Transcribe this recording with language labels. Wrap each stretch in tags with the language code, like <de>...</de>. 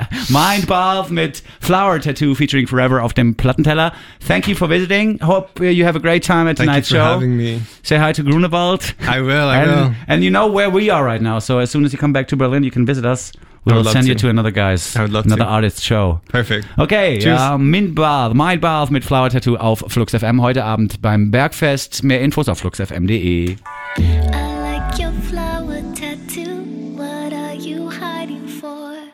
<de>Mind Bath mit Flower Tattoo featuring Forever auf dem Plattenteller.</de> <en>Thank you for visiting. Hope you have a great time at tonight's show. Thank you for having me. Say hi to Grunewald. I will. And you know where we are right now. So as soon as you come back to Berlin, you can visit us. We'll send you to another guy's, artist show. Perfect.</en> <de>Okay, Mind Bath mit Flower Tattoo auf Flux FM heute Abend beim Bergfest. Mehr Infos auf fluxfm.de.</de> <en>I like your flower tattoo. What are you hiding for?</en>